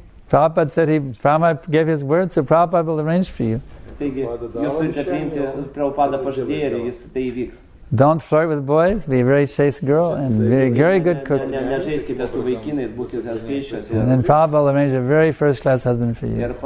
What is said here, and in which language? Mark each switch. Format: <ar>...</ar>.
<en>Prabhupada said, Prabhupada gave his word, so Prabhupada will arrange for you.</en> <lt>Taigi jūs turite priimti Prabhupada pažadėjo ir jūs tai įvyks.</lt> <en>Don't flirt with boys, be a very chaste girl and be a very good cook. And then Prabhupada will arrange a very first class husband for you.</en>